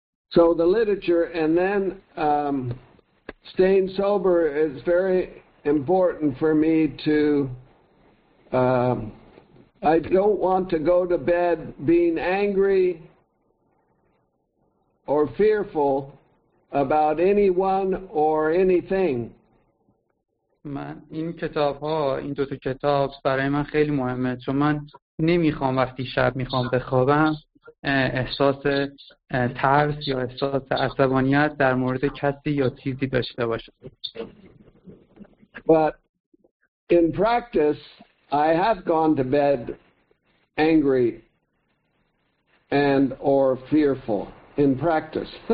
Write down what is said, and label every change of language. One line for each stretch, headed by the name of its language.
English: So the literature and then staying sober is very important for me to I don't want to go to bed being angry or fearful about anyone or anything.
Persian: من این کتاب ها این دو تا کتاب برای من خیلی مهمه چون من نمیخوام وقتی شب میخوام بخوابم احساس ترس یا احساس عصبانیت در مورد کسی یا چیزی داشته باشم.
English: But in practice I have gone to bed angry and or fearful in practice.